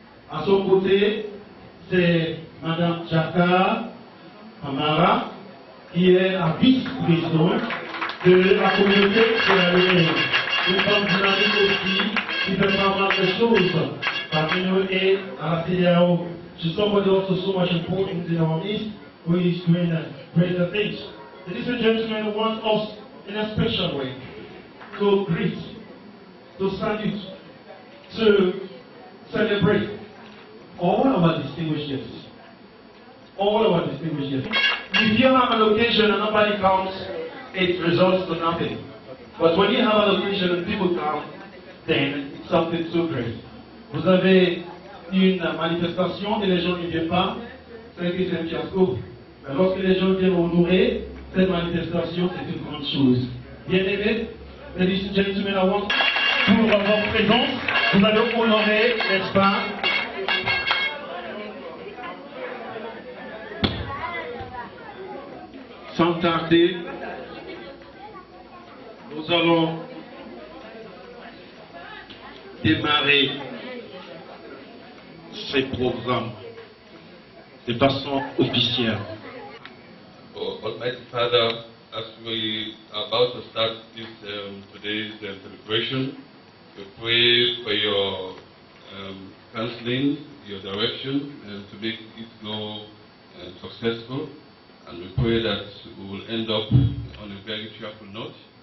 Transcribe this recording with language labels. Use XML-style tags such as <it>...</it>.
<fr>À son côté, c'est Madame Chaka Amara, qui est la vice-présidente de la communauté syrienne. Une femme dynamique aussi, qui fait pas mal de choses parmi nous et à la CDAO.</fr> <en>She's somebody also so much important in our midst, who is doing a greater things. Ladies and gentlemen, I want us in a special way to greet, to salute, to celebrate all of our distinguished guests. All of our distinguished guests. If you have an occasion and nobody comes, it results to nothing. But when you have an occasion and people come, then it's something so great.</en> <fr>Vous avez une manifestation et les gens ne viennent pas, c'est que c'est un fiasco. Mais lorsque les gens viennent honorer, cette manifestation est une grande chose. Bien aimé,</fr> <en>ladies and gentlemen, I want</en> <fr>pour votre présence, vous allez honorer, n'est-ce pas? Sans tarder, nous allons démarrer ces programmes de façon officielle.</fr> <en>Oh, Almighty Father, as we are about to start this today's celebration, we pray for your counseling, your direction, and to make it go successful. And we pray that we will end up on a very cheerful note.</en>